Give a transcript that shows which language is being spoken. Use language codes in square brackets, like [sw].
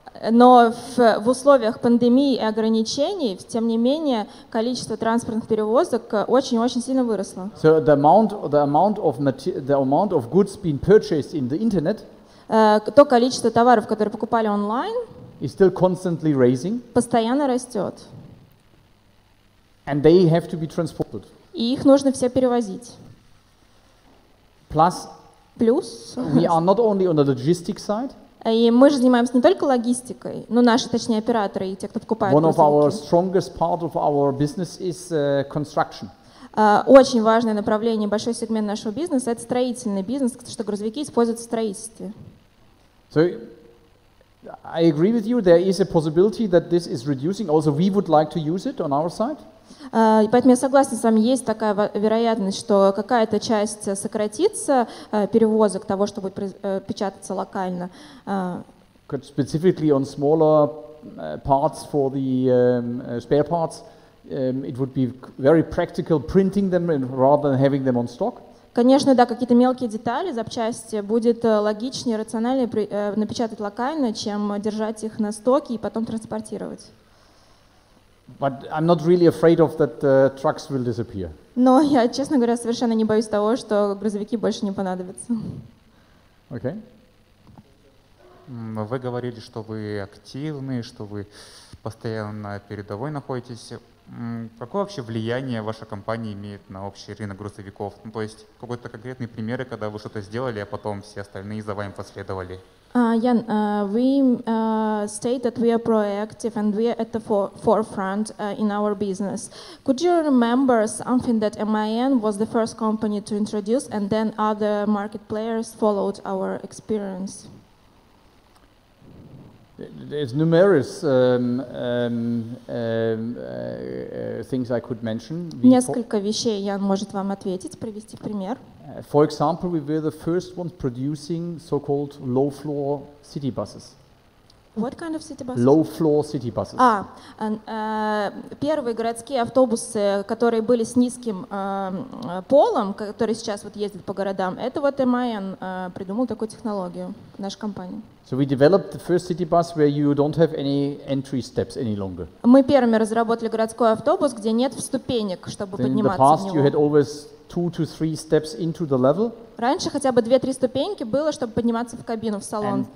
[ru] Но в условиях пандемии и ограничений, тем не менее, количество транспортных перевозок очень-очень сильно выросло. [en] So the amount of goods being purchased in the internet. [ru] То количество товаров, которые покупали онлайн, [en] is still constantly raising. [ru] Постоянно растет. [en] And they have to be transported. [ru] И их нужно все перевозить. [en] Plus, we are not only on the logistics side. [ru] И мы же занимаемся не только логистикой, но наши, точнее, операторы и те, кто покупает. [en] One of our strongest part of our business is construction. [ru] Очень важное направление, большой сегмент нашего бизнеса — это строительный бизнес, потому что грузовики используются в строительстве. [en] So, I agree with you. There is a possibility that this is reducing. Also, we would like to use it on our side. [ru] Поэтому я согласна с вами, есть такая вероятность, что какая-то часть сократится перевозок того, что будет печататься локально. [en] Specifically on smaller parts for the spare parts, it would be very practical printing them rather than having them on stock. [ru] Конечно, да, какие-то мелкие детали, запчасти, будет логичнее, рациональнее напечатать локально, чем держать их на стоке и потом транспортировать. [en] But I'm not really afraid of that trucks will disappear. [ru] Но я, честно говоря, совершенно не боюсь того, что грузовики больше не понадобятся. [en] Okay. [ru] Вы говорили, что вы активны, что вы постоянно на передовой находитесь. Какое вообще влияние ваша компания имеет на общий рынок грузовиков? Ну, то есть какой-то конкретный пример, когда вы что-то сделали, а потом все остальные за вами последовали? [en] Ян, we state that we are proactive and we are at the forefront in our business. Could you remember something that MAN was the first company to introduce and then other market players followed our experience? There's numerous things I could mention. [ru] Несколько вещей Ян может вам ответить, привести пример. [en] For example, we were the first ones producing so-called low-floor city buses. What kind of city buses? Low-floor city buses. [ru] А, первые городские автобусы, которые были с низким полом, которые сейчас вот ездят по городам, это вот MAN придумал такую технологию в нашей компании. [en] So we developed the first city bus where you don't have any entry steps any longer. [ru] Мы первыми разработали городской автобус, где нет ступенек, чтобы подниматься в него. [en] In the past you had always 2 to 3 steps into the level. [ru] Раньше хотя бы 2-3 ступеньки было, чтобы подниматься в кабину, в салон.